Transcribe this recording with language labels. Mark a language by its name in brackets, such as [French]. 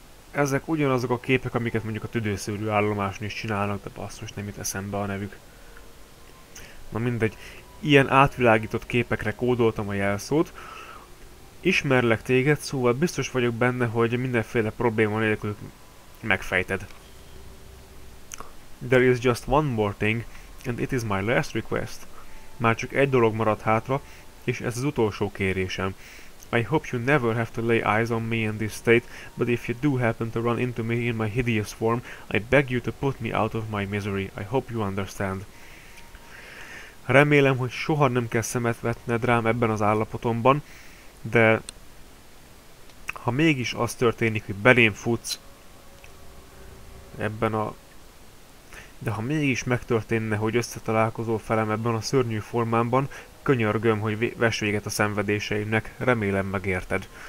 [Hungarian] Ezek ugyanazok a képek, amiket mondjuk a tüdőszűrő állomáson is csinálnak, de basszus, nem jut eszembe a nevük. Na mindegy, ilyen átvilágított képekre kódoltam a jelszót. Ismerlek téged, szóval biztos vagyok benne, hogy mindenféle probléma nélkül megfejted. [English] There is just one more thing, and it is my last request. [Hungarian] Már csak egy dolog maradt hátra, és ez az utolsó kérésem. [English] I hope you never have to lay eyes on me in this state, but if you do happen to run into me in my hideous form, I beg you to put me out of my misery. I hope you understand. [Hungarian] Remélem, hogy soha nem kell szemet vetned rám ebben az állapotomban, de ha mégis az történik, hogy belém futsz ebben a... De ha mégis megtörténne, hogy összetalálkozol felem ebben a szörnyű formámban, könyörgöm, hogy vess véget a szenvedéseimnek, remélem megérted.